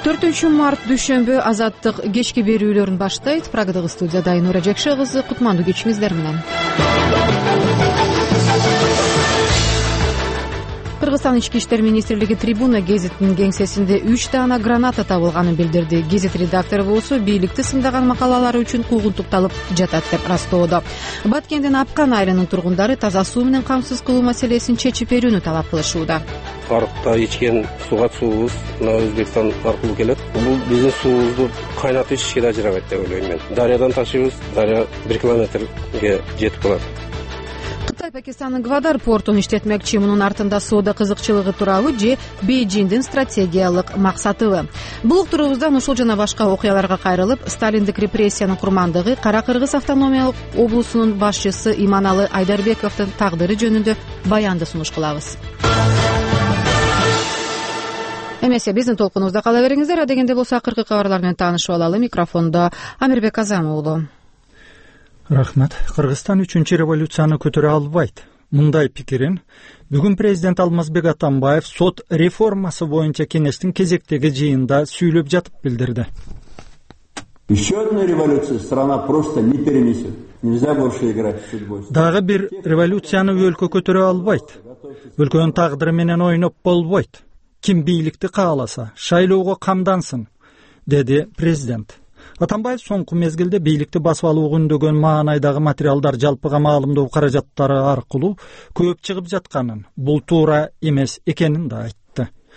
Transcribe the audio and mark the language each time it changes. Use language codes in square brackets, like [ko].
[ky] Үшін март дүшембі азаттық кешке берулерін баштайды. Прагадығы студияда Айнура Жекші ғызы құтманды кечіңіздер мінен. Кыргызстан ички иштер министрлиги трибуна гезитинин кеңсесинде 3 дана граната табылганын билдирди. Гезит редактору болсо бийликти сындаган макалалары үчүн куугунтукталып жатат деп ырастоодо. Баткендин Апкан айрынын тургундары таза суу менен камсыз кылуу маселесин чечип берүүнү талап кылышууда. Арыкта ичкен сууга суубуз мына Өзбекстан аркылуу келет. Бул биздин суубузду кайнатып ичишке да жарабайт деп ойлойм мен. Дарыядан ташыбыз, дарыя 1 километрге жетип калат. Пакистандын Гвадар портун иштетмекчи, мунун артында соода кызыкчылыгы тууралуу же Бейжиндин стратегиялык максатыбы. Бул турубуздан ушул жана башка окуяларга кайрылып, сталиндик репрессиянын курмандыгы Кара Кыргыз автономиялык облусунун башчысы Иманалы Айдарбековдун тагдыры жөнүндө баянды сунуш кылабыз. Эмесе биздин толкунубузда кала бериңиздер, а дегенде болсо акыркы кабарлар менен таанышып алалы. Микрофондо Амирбек Азам уулу. Рахмат. Кыргызстан үчүнчү революцияны көтөрө албайт. Мындай пикирин бүгүн президент Алмазбек Атамбаев сот реформасы боюнча кеңештин кезектеги жыйында сүйлөп жатып билдирди. [ru] Еще одна революция страна просто не перенесет. Нельзя больше играть в судьбу. [ky] Дагы бир революцияны өлкө көтөрө албайт. Өлкөнүн тагдыры менен ойноп болбойт. Ким бийликти кааласа, шайлоого камдансын, деди президент. Атамбаев соңку мезгилде бийликти басып алуу күндөгөн маанайдагы материалдар жалпыга маалымдоо каражаттары аркылуу көп чыгып жатканын, бул туура эмес экенин да айтты.